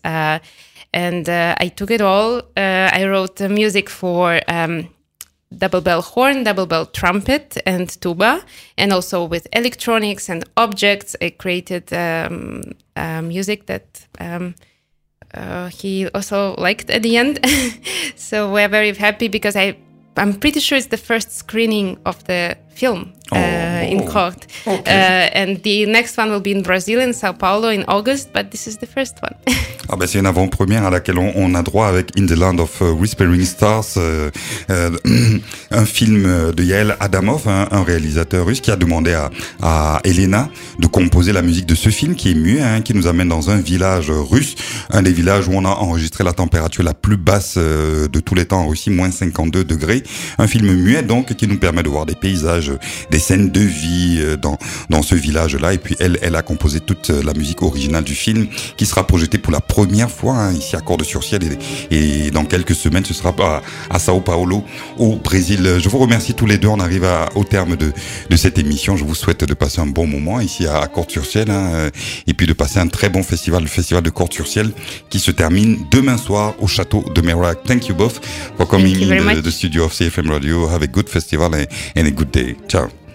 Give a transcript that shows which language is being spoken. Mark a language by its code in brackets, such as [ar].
[en] I took it all. I wrote the music for double bell horn, double bell trumpet, and tuba, and also with electronics and objects, I created music that he also liked at the end. So we're very happy because I'm pretty sure it's the first screening of the film in court. Okay. And the next one will be in Brazil, in Sao Paulo, in August, but this is the first one. [fr] Ah ben c'est une avant-première à laquelle on a droit avec In the Land of Whispering Stars, un film de Yael Adamov, un réalisateur russe qui a demandé à Elena de composer la musique de ce film qui est muet, qui nous amène dans un village russe, un des villages où on a enregistré la température la plus basse de tous les temps en Russie, moins 52 degrés. Un film muet donc qui nous permet de voir des paysages, des scènes de vie dans ce village-là. Et puis elle a composé toute la musique originale du film qui sera projetée pour la première fois ici à Cordes-sur-Ciel et dans quelques semaines ce sera à Sao Paulo au Brésil. Je vous remercie tous les deux, on arrive au terme de cette émission, je vous souhaite de passer un bon moment ici à Cordes-sur-Ciel et puis de passer un très bon festival, le festival de Cordes-sur-Ciel qui se termine demain soir au château de Merac. [en] Thank you both for coming in the studio of CFM Radio, have a good festival and a good day, ciao.